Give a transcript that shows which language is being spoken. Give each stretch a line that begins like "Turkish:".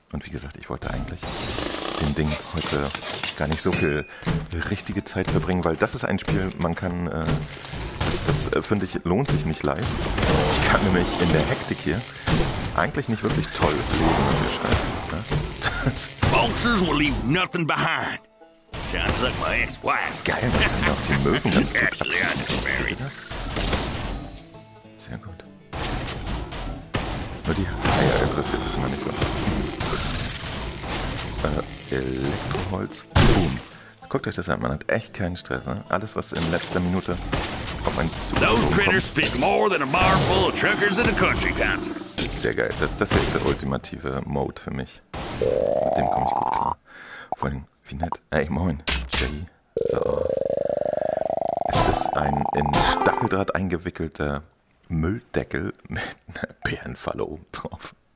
German: Und wie gesagt, ich wollte eigentlich dem Ding heute gar nicht so viel richtige Zeit verbringen, weil das ist ein Spiel, man kann... finde ich, lohnt sich nicht live. Ich kann nämlich in der Hektik hier eigentlich nicht wirklich toll lesen, was ihr schreibt. Ne?
English: Boxers will leave nothing behind. Sounds like my ex-wife.
German: Geil, man kann auch die Möwen ganz gut abschließen. Sehr gut. Nur die Haie interessiert es immer nicht so. Elektroholz. Boom. Guckt euch das an, man hat echt keinen Stress. Ne? Alles, was in letzter Minute...
English: Those critters speak more than a bar full of truckers in a country concert.
German: Sehr geil, das ist der ultimative Mode für mich. Mit dem komme ich gut klar. Vor allem, wie nett. Ey, moin, Jelly. So. Es ist ein in Stacheldraht eingewickelter Mülldeckel mit einer Bärenfalle oben drauf.